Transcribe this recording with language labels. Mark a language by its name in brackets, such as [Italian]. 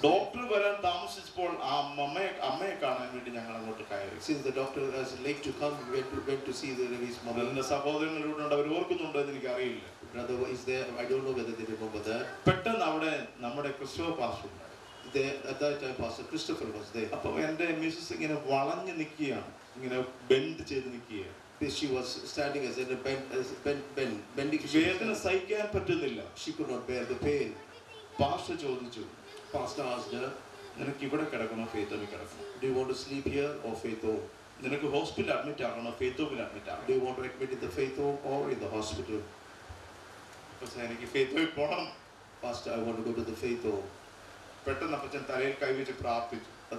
[Malayalam] Doctor വരാൻ താമസിച്ചപ്പോൾ ആ അമ്മയെ അമ്മയെ കാണാൻ വേണ്ടി ഞങ്ങൾ അങ്ങോട്ട് കയറി. [English] Since the doctor has late to come, we went to see the Ravi's mother. [Malayalam] എന്റെ സഹോദരങ്ങളിലൂടെ അവർ ഓർക്കുന്നുണ്ടോ എന്ന് എനിക്കറിയില്ല. [English] Brother is there, I don't know whether they remember that. [Malayalam] പെട്ടെന്ന് അവിടെ നമ്മുടെ ക്രിസ്തുവ പാസ്റ്റർ എന്റെ മിസ്സസ് ഇങ്ങനെ വളഞ്ഞ് നിൽക്കുകയാണ്, ഇങ്ങനെ ബെൻഡ് ചെയ്ത് നിൽക്കുകയാണ്. [English] She was standing as in a bend. [Malayalam] വേദന സഹിക്കാൻ പറ്റുന്നില്ല. [English] She could not bear the pain. [Malayalam] Pastor ചോദിച്ചു, [English] pastor asked, [Malayalam] നിനക്ക് ഇവിടെ കിടക്കണോ ഫെയ്ത്തോ കിടക്കണോ? [English] Do you want to sleep here or faith home? [Malayalam] നിനക്ക് ഹോസ്പിറ്റലിൽ admit ആകണോ ഫെയ്ത്തോ admit ആകണോ? [English] Do you want to admit in the faith home or in the hospital? [Malayalam] എനിക്ക് ഫെയ്ത്തോ പോകണം. [English] Pastor, I want to go to the faith home. [Malayalam] പെട്ടെന്ന് അപ്പച്ചൻ തലയിൽ കൈവച്ച് പ്രാർത്ഥിച്ചു.